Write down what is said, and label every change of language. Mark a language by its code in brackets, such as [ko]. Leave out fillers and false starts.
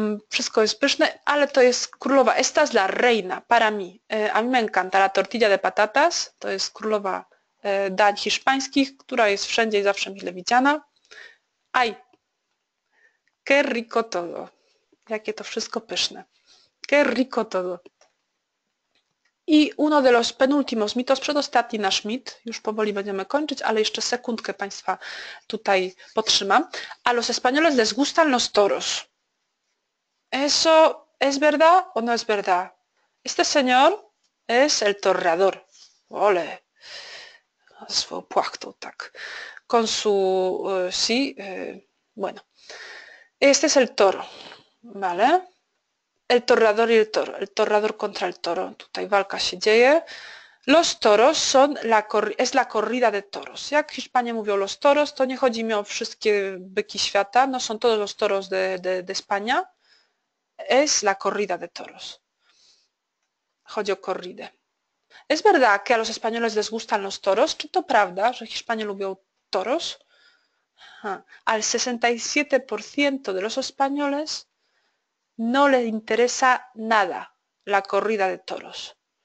[pl] Wszystko jest pyszne, ale to jest królowa. [es] Esta es la reina para mí. A mí me encanta la tortilla de patatas. [pl] To jest królowa dań hiszpańskich, która jest wszędzie i zawsze mile widziana. Ay. [es] Qué rico todo. [pl] Jakie to wszystko pyszne. [es] Qué rico todo. [pl] I [es] uno de los penultimos mitos, [pl] przedostatni nasz mit, już powoli będziemy kończyć, ale jeszcze sekundkę Państwa tutaj podtrzymam. [es] A los españoles les gustan los toros. Eso es verdad o no es verdad? Este señor es el torreador. Ole! [pl] Z płachtą, tak. [es] Con su, sí, Bueno, este es el toro, ¿vale? El torrador y el toro, el torrador contra el toro. [pl] Tutaj walka się dzieje. [es] Los toros son es la corrida de toros. [pl] Jak Hiszpanie mówią los toros, to nie chodzi mi o wszystkie byki świata, no są [es] todos los toros de España. Es la corrida de toros. [pl] Chodzi o corridę. [es] ¿Es verdad que a los españoles les gustan los toros? [pl] Czy to prawda, że Hiszpanie lubią toros? Ha. [es] Al 67% de los españoles no le interesa nada la corrida de toros.